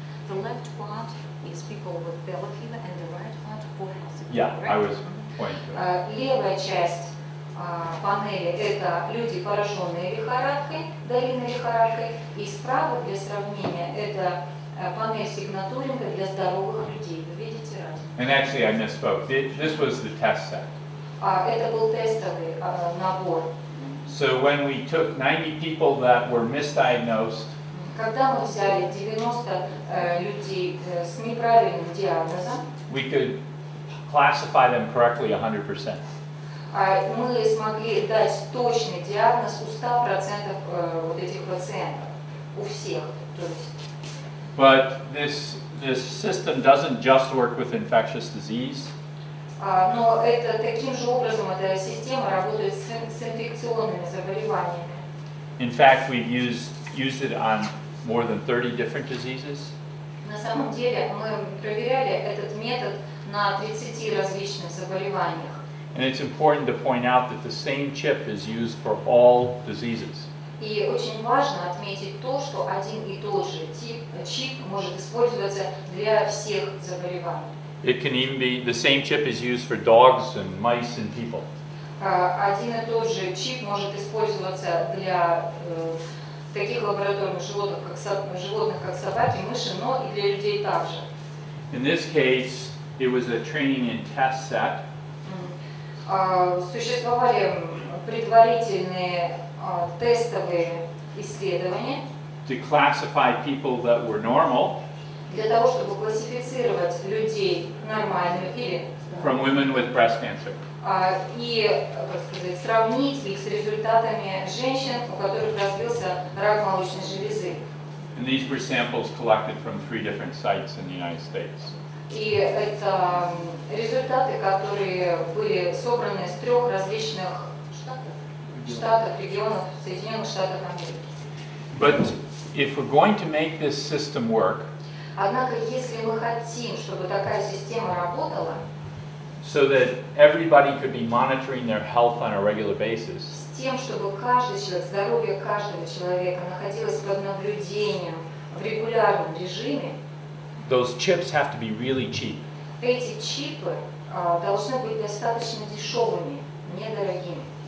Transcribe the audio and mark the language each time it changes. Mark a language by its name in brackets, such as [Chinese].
[English] The left part is people with belly fever, and the right part who has it. Yeah, right? I was pointing. [Russian] Левая часть панели – это люди, пораженные лихорадкой, долинной лихорадкой, и справа, для сравнения, это панель сигнатуринга для здоровых людей. Вы видите разницу? [English] And actually, I misspoke. This was the test set. [Russian] Это был тестовый набор. [English] So when we took 90 people that were misdiagnosed. [Russian] Когда мы взяли 90 людей с неправильным диагнозом, [English] we could classify them correctly 100%. [Russian] Мы смогли дать точный диагноз у 100% вот этих пациентов, у всех. То есть. [English] But this system doesn't just work with infectious disease. [Russian] Но это таким же образом эта система работает с инфекционными заболеваниями. [English] In fact, we've used it on more than 30 different diseases. [Russian] На самом деле, мы проверяли этот метод на 30 различных заболеваниях. [English] And it's important to point out that the same chip is used for all diseases. [Russian] И очень важно отметить то, что один и тот же чип может использоваться для всех заболеваний. [English] It can even be the same chip is used for dogs and mice and people. [Russian] Один и тот же чип может использоваться для таких лабораторных животных, как собаки, мыши, но и для людей также. [English] In this case, it was a training and test set. [Russian] Существовали предварительные тестовые исследования. [English] To classify people that were normal. [Russian] Для того, чтобы классифицировать людей нормальными или. [English] From women with breast cancer. [Russian] И, как сказать, сравнить их с результатами женщин, у которых развился рак молочной железы. [English] And these were samples collected from three different sites in the United States. [Russian] И это результаты, которые были собраны с трех различных штатов, регионов Соединенных Штатов Америки. [English] But if we're going to make this system work, [Russian] однако, если мы хотим, чтобы такая система работала, [English] so that everybody could be monitoring their health on a regular basis. [Russian] С тем, чтобы каждый человек, здоровье каждого человека находилось под наблюдением в регулярном режиме. [English] Those chips have to be really cheap. [Russian] Эти чипы должны быть достаточно дешевыми, недорогими.